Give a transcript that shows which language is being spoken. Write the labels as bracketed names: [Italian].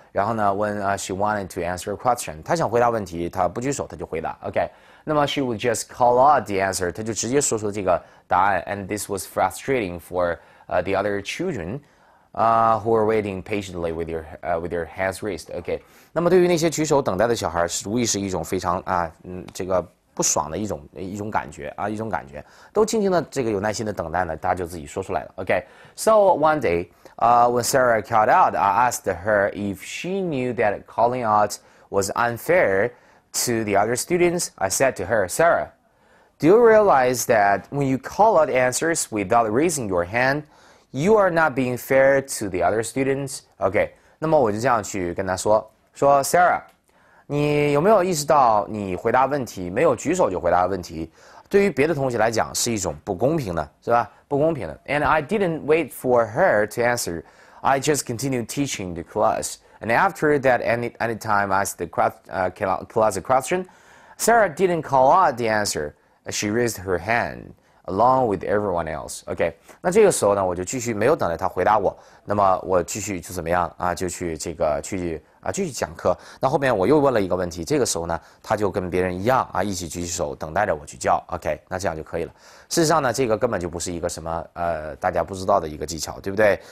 [Chinese] 然后呢 ， [English] when she wanted to answer a question, [Chinese] 她想回答问题，她不举手，她就回答 ，OK。那么 [English] she would just call out the answer, [Chinese] 她就直接说出这个答案。 [English] And this was frustrating for the other children. Who are waiting patiently with your hands raised? [Chinese] OK, 那么对于那些举手等待的小孩，无疑是一种非常这个不爽的一种感觉啊，一种感觉。都静静的这个有耐心的等待呢，大家就自己说出来了。 [English] OK, so one day, when Sarah called out, I asked her if she knew that calling out was unfair to the other students. I said to her, Sarah, do you realize that when you call out answers without raising your hand? You are not being fair to the other students. [Chinese] OK, 那么我就这样去跟他说，说 Sarah, 你有没有意识到你回答问题，没有举手就回答问题，对于别的同学来讲是一种不公平的，是吧？不公平的。 [English] And I didn't wait for her to answer. I just continued teaching the class. And after that, any time I asked the class a question, Sarah didn't call out the answer. She raised her hand. Along with everyone else, OK. [Chinese] 那这个时候呢，我就继续没有等待他回答我，那么我继续就怎么样啊？就去这个去啊，继续讲课。那后面我又问了一个问题，这个时候呢，他就跟别人一样啊，一起举起手，等待着我去叫。 OK， 那这样就可以了。事实上呢，这个根本就不是一个什么大家不知道的一个技巧，对不对？